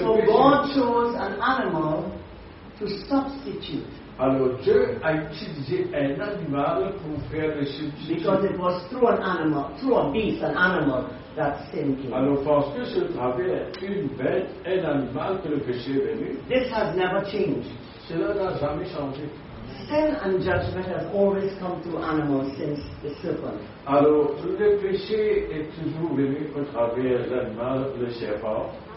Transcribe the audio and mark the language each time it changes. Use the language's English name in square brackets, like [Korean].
[English] So God chose an animal to substitute. [French] Alors, Dieu a utilisé un animal pour faire le substitut. [English] Because it was through an animal, through a beast, an animal, that sin came. [French] Alors parce que ce travail est une bête, un animal que le péché est venu. [English] This has never changed. [French] Cela n'a jamais changé. [English] Sin and judgment has always come to animals since the serpent. [French] Alors le péché est toujours venu au travers l'animal, le serpent.